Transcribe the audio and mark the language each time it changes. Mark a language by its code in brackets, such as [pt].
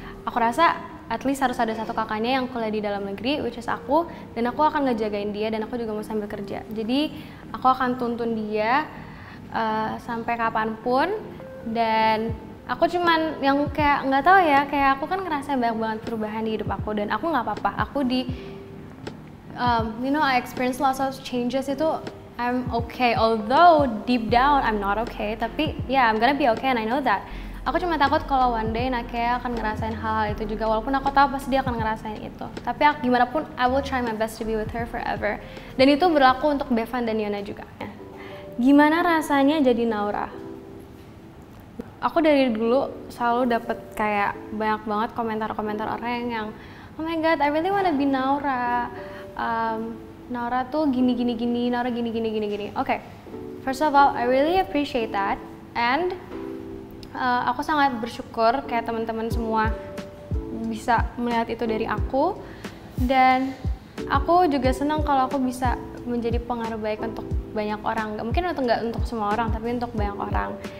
[id] Aku rasa [en] at least [id] harus ada satu kakaknya yang kuliah di dalam negeri, [en] which is [id] aku, dan aku akan ngejagain dia dan aku juga mau sambil kerja. Jadi aku akan tuntun dia sampai kapanpun. Dan aku cuman yang kayak nggak tahu ya, kayak aku kan ngerasa banyak banget perubahan di hidup aku dan aku nggak apa-apa. Aku di [en] you know, I experience lots of changes, itu I'm okay. Although deep down I'm not okay, tapi yeah, I'm gonna be okay and I know that. [id] Aku cuma takut kalau [en] one day [id] Nakea akan ngerasain hal-hal itu juga, walaupun aku tahu pasti dia akan ngerasain itu. Tapi aku, gimana pun [en] I will try my best to be with her forever. [id] Dan itu berlaku untuk Bevan dan Yona juga. Gimana rasanya jadi Naura? Aku dari dulu selalu dapat kayak banyak banget komentar-komentar orang yang [en] oh my god, I really wanna be Naura. [id] Naura tuh gini-gini-gini, Naura gini-gini-gini-gini. [en] Okay, first of all, I really appreciate that. [id] And aku sangat bersyukur kayak teman-teman semua bisa melihat itu dari aku. Dan aku juga senang kalau aku bisa menjadi pengaruh baik untuk banyak orang. Mungkin atau enggak untuk semua orang, tapi untuk banyak orang.